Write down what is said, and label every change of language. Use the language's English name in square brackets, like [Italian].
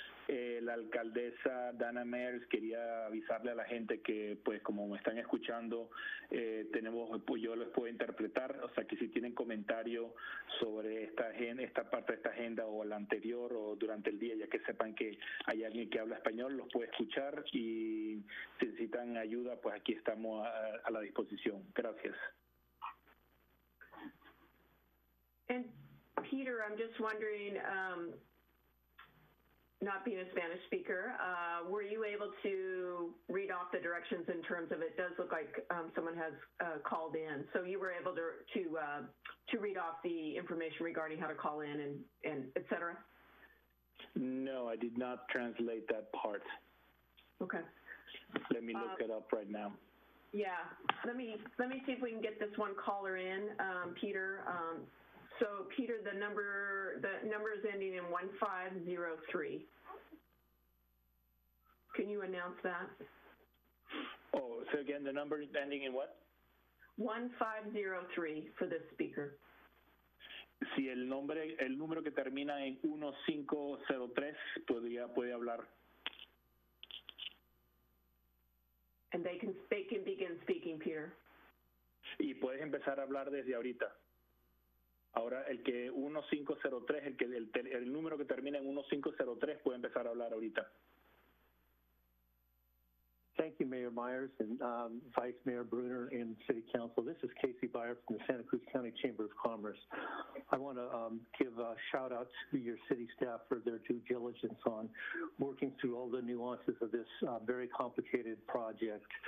[Spanish] La alcaldesa Dana Mears quería avisarle a la gente que, pues, como me están escuchando, tenemos, pues, yo les puedo interpretar. O sea, que si tienen comentario sobre esta parte de esta agenda o la anterior o durante el día, ya que sepan que hay alguien que habla español, los puede escuchar. Y si necesitan ayuda, pues aquí estamos a la disposición. Gracias. [English] And Peter, I'm just wondering, not being a Spanish speaker, were you able to read off the directions in terms of it does look like someone has called in? So you were able to read off the information regarding how to call in and et cetera? No, I did not translate that part. Okay. Let me look it up right now. Yeah, let me see if we can get this one caller in, Peter. So, Peter, the number is ending in 1503. Can you announce that? Oh, so again, the number is ending in what? 1503 for this speaker. [Spanish] Si el número que termina en 1503 puede hablar. [English] And they can begin speaking, Peter. [Spanish] Y puedes empezar a hablar desde ahorita. Ahora el que 1503, el número que termina en 1503 puede empezar a hablar ahorita. [English] Thank you, Mayor Myers and Vice Mayor Bruner and City Council. This is Casey Byer from the Santa Cruz County Chamber of Commerce. I want to give a shout out to your city staff for their due diligence on working through all the nuances of this very complicated project.